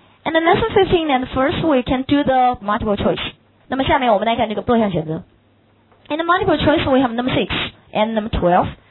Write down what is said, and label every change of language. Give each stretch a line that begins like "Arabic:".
English: And lesson 15 and first we can do the multiple choice.
Chinese: 那么下面我们来看这个多项选择。
English: In the multiple choice we have number 6 and number 12.